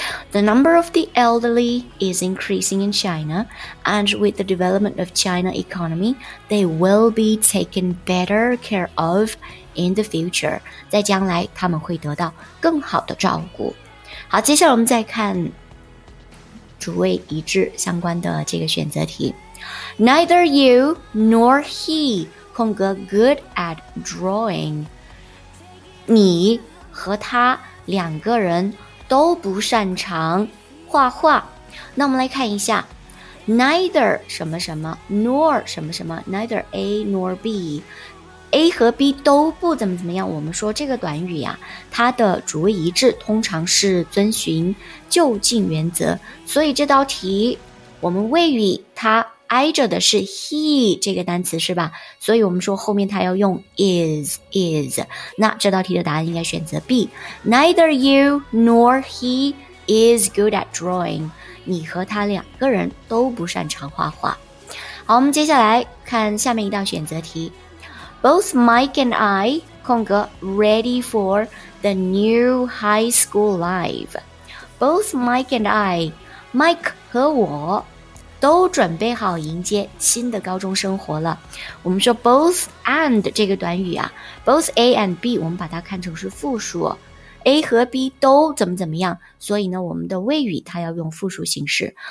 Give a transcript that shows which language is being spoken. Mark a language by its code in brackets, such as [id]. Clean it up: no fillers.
[en] The number of the elderly is increasing in China, and with the development of China economy, they will be taken better care of in the future. [zh] 在将来他们会得到更好的照顾。好，接下来我们再看主谓一致相关的这个选择题。 [en] Neither you nor he, [zh] 空格 [en] good at drawing. [zh] 你和他两个人都不擅长画画。那我们来看一下 neither 什么什么 nor 什么什么 neither A nor B, A 和 B 都不怎么怎么样。我们说这个短语啊，它的主谓一致通常是遵循就近原则，所以这道题我们谓语它挨着的是 he 这个单词，是吧？所以我们说后面它要用 is, 那这道题的答案应该选择 B, [en] Neither you nor he is good at drawing, [zh] 你和他两个人都不擅长画画。好，我们接下来看下面一道选择题。 [en] Both Mike and I, [zh] 空格 [en] ready for the new high school life. Both Mike and I, [zh] Mike 和我都准备好迎接新的高中生活了。我们说 both and 这个短语啊， both A and B 我们把它看成是复数， A 和 B 都怎么怎么样，所以呢我们的谓语它要用复数形式。